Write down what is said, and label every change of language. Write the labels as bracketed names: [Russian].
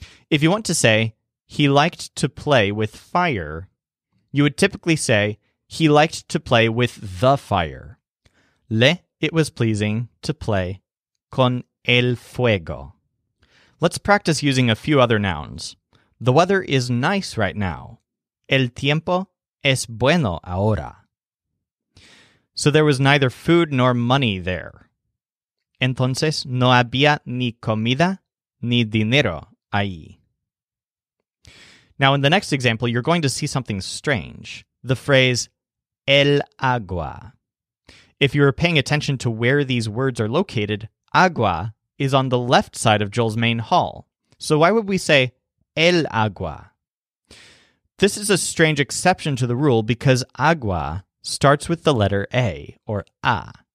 [English] If you want to say, "He liked to play with fire," you would typically say, "He liked to play with the fire." Le, it was pleasing to play [Spanish] con el fuego. [English] Let's practice using a few other nouns. The weather is nice right now. [Spanish] El tiempo es bueno ahora. [English] So there was neither food nor money there. [Spanish] Entonces no había ni comida ni dinero ahí. [English] Now in the next example, you're going to see something strange. The phrase el agua. If you are paying attention to where these words are located, agua is on the left side of Joel's main hall. So why would we say el agua? This is a strange exception to the rule because agua starts with the letter A or A.